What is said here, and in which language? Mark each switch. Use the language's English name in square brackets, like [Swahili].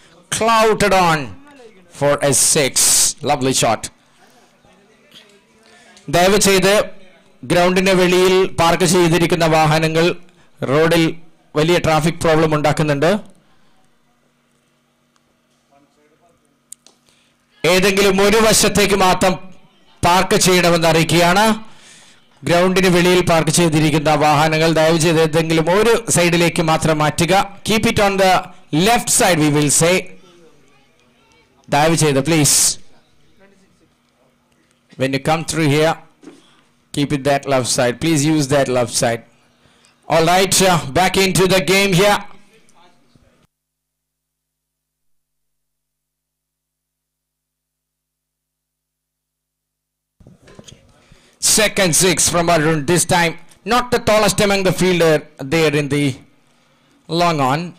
[English] Clouted on for a 6. Lovely shot. [Malayalam] Dayavu cheythu groundine veliyil park cheyidirikkunna vahanangal roadil വലിയ traffic problem ഉണ്ടാക്കുന്നുണ്ട്. ഏതെങ്കിലും ഒരു വശത്തേക്ക് മാത്രം പാർക്ക് ചെയ്യണമെന്ന് അറിയിക്കുകയാണ്. ഗ്രൗണ്ടിന് വെളിയിൽ പാർക്ക് ചെയ്തിരിക്കുന്ന വാഹനങ്ങൾ ദയവു ചെയ്ത് ഏതെങ്കിലും ഒരു സൈഡിലേക്ക് മാത്രം മാറ്റുക. [English] Keep it on the left side we will say. [Malayalam] ദയവു ചെയ്ത് [English] Please when you come through here keep it that left side. Please use that left side. All right, back into the game here. Second six from Arun. This time, not the tallest among the fielder there in the long on.